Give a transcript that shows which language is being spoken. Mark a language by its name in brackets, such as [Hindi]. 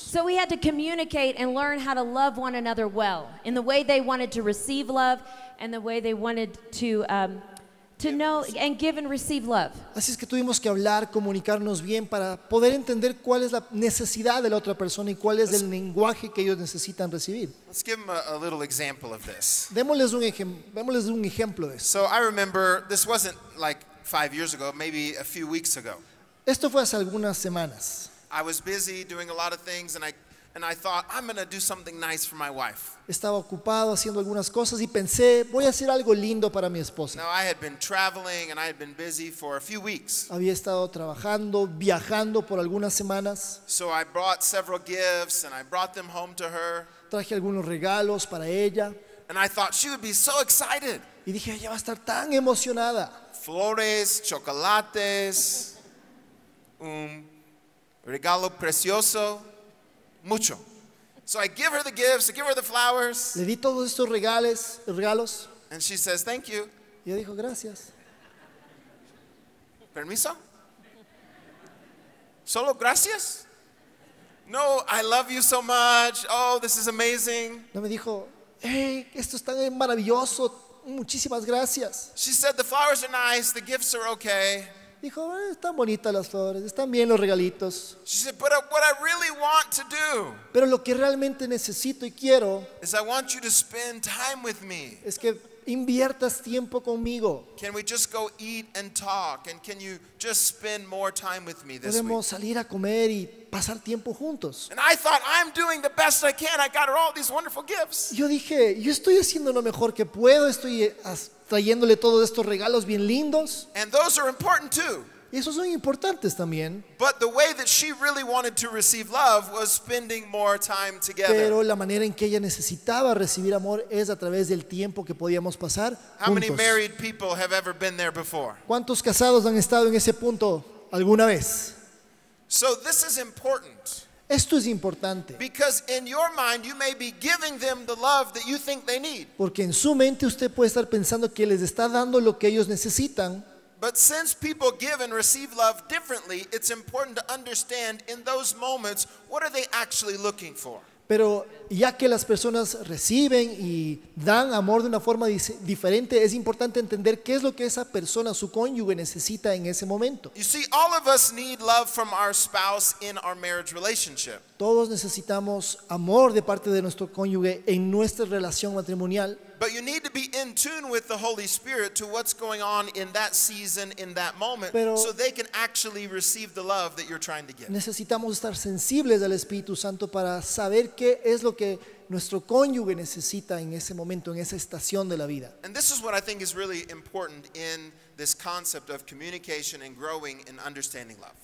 [English] So we had to communicate and learn how to love one another well, in the way they wanted to receive love and the way they wanted to know and give and receive love. [Spanish] Así es que tuvimos que hablar, comunicarnos bien para poder entender cuál es la necesidad de la otra persona y cuál es el lenguaje que ellos necesitan recibir. [English] Let's give them a little example of this. [Spanish] Démosles un ejemplo de esto. [English] So I remember this wasn't like 5 years ago, maybe a few weeks ago. [Spanish] Esto fue hace algunas semanas. [English] I was busy doing a lot of things and I thought I'm going to do something nice for my wife. [Spanish] Estaba ocupado haciendo algunas cosas y pensé, voy a hacer algo lindo para mi esposa. [English] Now I had been traveling and I had been busy for a few weeks. [Spanish] Había estado trabajando, viajando por algunas semanas. [English] So I brought several gifts and I brought them home to her. [Spanish] Traje algunos regalos para ella. [English] And I thought she would be so excited. [Spanish] Y dije, ella va a estar tan emocionada. Flores, chocolates, un regalo precioso. Mucho. [English] So I give her the gifts, I give her the flowers. [Spanish] Le di todos estos regalos. [English] And she says, thank you. [Spanish] Y ella dijo, gracias. Permiso? Solo gracias? No, [English] I love you so much. Oh, this is amazing. [Spanish] No me dijo, hey, esto es tan maravilloso. Muchísimas gracias. [English] She said, the flowers are nice, the gifts are okay. [Spanish] Dijo, están bonitas las flores, están bien los regalitos. [English] She said, but what I really want to do, [Spanish] pero lo que realmente necesito y quiero, [English] is I want you to spend time with me. [Spanish] Es que inviertas tiempo conmigo. [English] Can we just go eat and talk, and can you just spend more time with me this week? [Spanish] Podemos salir a comer y pasar tiempo juntos. [English] And I thought, I'm doing the best I can. I got her all these wonderful gifts. [Spanish] Yo dije, yo estoy haciendo lo mejor que puedo. Estoy trayéndole todos estos regalos bien lindos. [English] And those are important too. [Spanish] Y esos son importantes también. [English] But the way that she really wanted to receive love was spending more time together. [Spanish] Pero la manera en que ella necesitaba recibir amor es a través del tiempo que podíamos pasar juntos. [English] How many married people have ever been there before? [Spanish] ¿Cuántos casados han estado en ese punto alguna vez? [English] So this is important. [Spanish] Esto es importante. [English] Because in your mind you may be giving them the love that you think they need. [Spanish] Porque en su mente usted puede estar pensando que les está dando lo que ellos necesitan. [English] But since people give and receive love differently, it's important to understand in those moments what are they actually looking for. [Spanish] Pero ya que las personas reciben y dan amor de una forma diferente, es importante entender qué es lo que esa persona, su cónyuge, necesita en ese momento. [English] You see, all of us need love from our spouse in our marriage relationship. [Spanish] Todos necesitamos amor de parte de nuestro cónyuge en nuestra relación matrimonial. [English] But you need to be in tune with the Holy Spirit to what's going on in that season, in that moment, [Spanish] pero [English] so they can actually receive the love that you're trying to give. [Spanish] Necesitamos estar sensibles al Espíritu Santo para saber qué es lo que nuestro cónyuge necesita en ese momento, en esa estación de la vida. [English] And this is what I think is really important in this concept of communication and growing and understanding love.